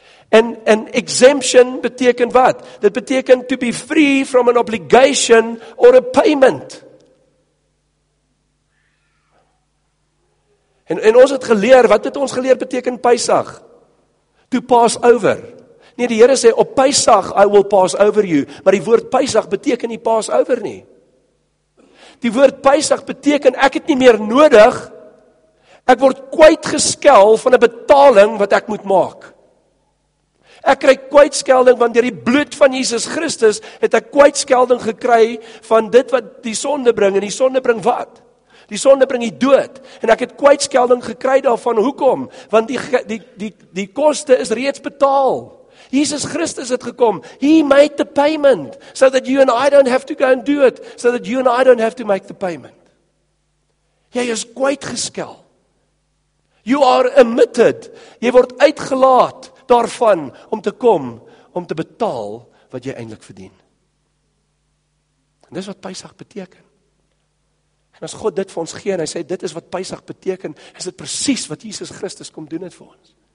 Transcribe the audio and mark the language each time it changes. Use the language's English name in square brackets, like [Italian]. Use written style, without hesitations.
[Afrikaans] En exemption beteken wat? Dit beteken [English] to be free from an obligation or a payment. [Afrikaans] En ons het geleer, wat het ons geleer beteken Pysag? [English] To pass over. [Afrikaans] Nee, die Here sê, op Pysag, [English] I will pass over you. [Afrikaans] Maar die woord Pysag beteken nie [English] pass over [Afrikaans] nie. Die woord Pysag beteken, ek het nie meer nodig, ek word kwytgeskel van 'n betaling wat ek moet maak. Ek kry kwytskelding, want deur die bloed van Jesus Christus het ek kwytskelding gekry van dit wat die sonde bring. En die sonde bring wat? Die sonde bring die dood. En ek het kwytskelding gekry daarvan. Hoekom? Want die koste is reeds betaal. Jesus Christus het gekom. [English] He made the payment so that you and I don't have to go and do it. So that you and I don't have to make the payment. [Afrikaans] Jy is kwytgeskel. [English] You are admitted. [Afrikaans] Jy word uitgelaat daarvan om te kom, om te betaal wat jy eintlik verdien. En dis wat Pysag beteken. En as God dit vir ons gee, en hy sê, dit is wat Pysag beteken, is dit precies wat Jesus Christus kom doen het vir ons.